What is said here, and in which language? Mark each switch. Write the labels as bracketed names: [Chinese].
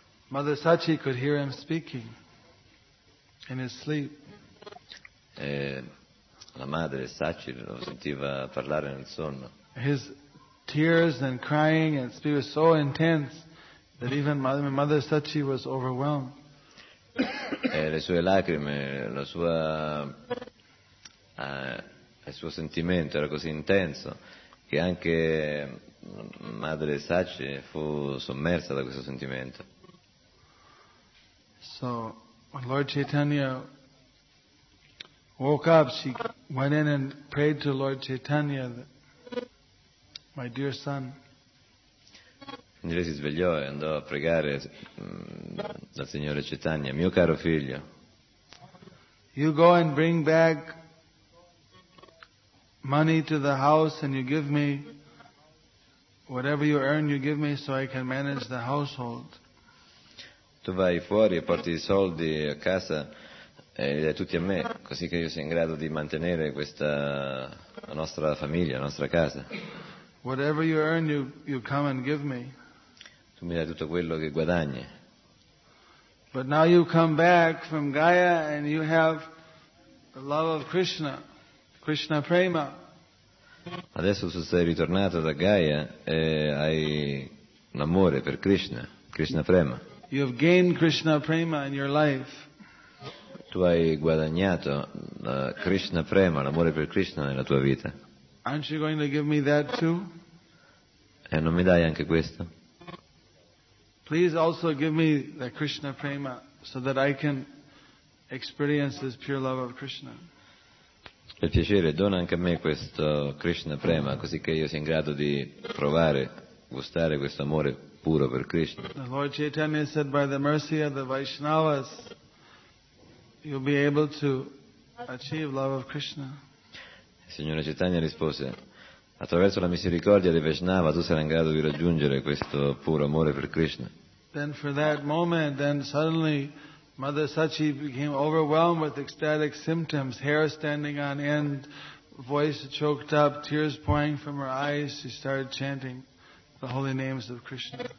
[English] Mother Sachi could hear him speaking in his sleep. [Italian] La madre Sachi lo sentiva parlare nel sonno. [English] His tears and crying and speech was so intense that even Mother Sachi was overwhelmed. [Italian] Le sue lacrime, il suo sentimento era così intenso che anche Madre Sachi fu sommersa da questo sentimento. [English] So when Lord Chaitanya woke up, she went in and prayed to Lord Chaitanya, my dear son. [Italian] Quindi lei si svegliò e andò a pregare dal Signore Chaitanya: mio caro figlio, [English] you go and bring back money to the house and you give me whatever you earn, you give me so I can manage the household. [Italian] Tu vai fuori e porti i soldi a casa e li dai tutti a me, così che io sia in grado di mantenere questa la nostra famiglia, la nostra casa. [English] Whatever you earn, you come and give me. [Italian] Tu mi dai tutto quello che guadagni. [English] But now you come back from Gaya and you have the love of Krishna, Krishna Prema. [Italian] Adesso tu sei ritornato da Gaya e hai un amore per Krishna, Krishna Prema. [English] You have gained Krishna Prema in your life. [Italian] Tu hai guadagnato Krishna Prema, l'amore per Krishna nella tua vita. [English] Aren't you going to give me that too? [Italian] E non mi dai anche questo? [English] Please also give me the Krishna Prema so that I can experience this pure love of Krishna. [Italian] Per piacere, dona anche a me questo Krishna Prema, così che io sia in grado di provare, gustare questo amore puro per Krishna. [English] The Lord Chaitanya said, by the mercy of the Vaishnavas, you'll be able to achieve love of Krishna. [Italian] Il Signore Chaitanya rispose: attraverso la misericordia di Vaishnava tu sarai in grado di raggiungere questo puro amore per Krishna. [English] Then for that moment, then suddenly Mother Sachi became overwhelmed with ecstatic symptoms, hair standing on end, voice choked up, tears pouring from her eyes, she started chanting the holy names of Krishna.